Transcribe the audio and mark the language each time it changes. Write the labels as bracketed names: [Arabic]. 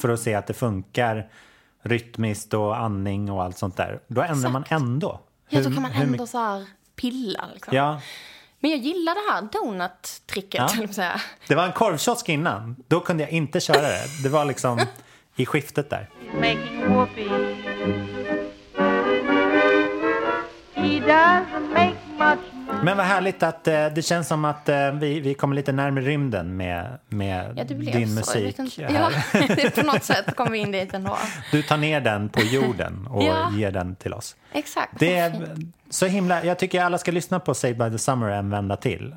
[Swedish] För att se att det funkar. Rytmiskt och andning och allt sånt där. Då ändrar man ändå. Då kan man ändå så här pilla. Liksom. Ja. Men jag gillar det här donut-tricket. Ja. Det var en korvkiosk innan. Då kunde jag inte köra det. Det var liksom i skiftet där. [English] Making whoopee. He doesn't make much. [Swedish] Men vad härligt att det känns som att vi kommer lite närmare rymden med din musik. Ja, på något sätt kommer vi in dit ändå. Du tar ner den på jorden och ger den till oss. Exakt. Det är så himla, jag tycker alla ska lyssna på Saved by the Summer en vända till.